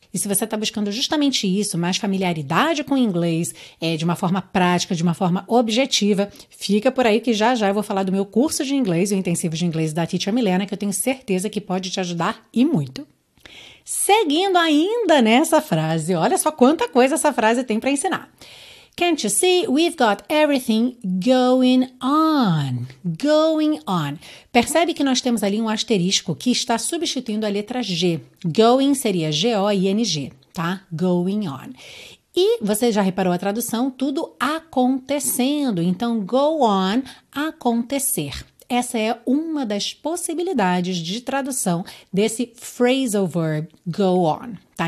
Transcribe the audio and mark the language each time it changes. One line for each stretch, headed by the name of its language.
Portuguese: E se você está buscando justamente isso, mais familiaridade com o inglês, de uma forma prática, de uma forma objetiva, fica por aí que já já eu vou falar do meu curso de inglês, o intensivo de inglês da Teacher Milena, que eu tenho certeza que pode te ajudar e muito. Seguindo ainda nessa frase, olha só quanta coisa essa frase tem para ensinar.
English: Can't you see? We've got everything going on. Going on.
Portuguese: Percebe que nós temos ali um asterisco que está substituindo a letra G. Going seria G-O-I-N-G, tá?
English: Going on.
Portuguese: E você já reparou a tradução? Tudo acontecendo. Então, go on, acontecer. Essa é uma das possibilidades de tradução desse phrasal verb go on. Tá?